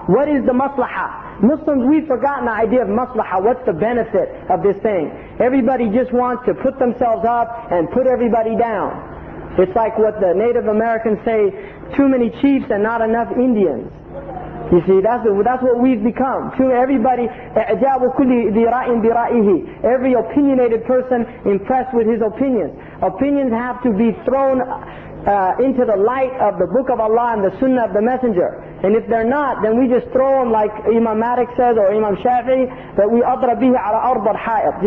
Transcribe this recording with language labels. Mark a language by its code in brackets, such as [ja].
[en] What is the maslaha? Muslims, we've forgotten the idea of maslaha. What's the benefit of this thing? Everybody just wants to put themselves up and put everybody down. It's like what the Native Americans say, too many chiefs and not enough Indians. You see, that's what we've become. Everybody, [ar] اعجاب كل ذي رأي برأيه. [en] Every opinionated person impressed with his opinions. Opinions have to be thrown into the light of the Book of Allah and the Sunnah of the Messenger. And if they're not, then we just throw them like Imam Malik says or Imam Shafi'i, that we [ar] أضرب به على أرض الحائط.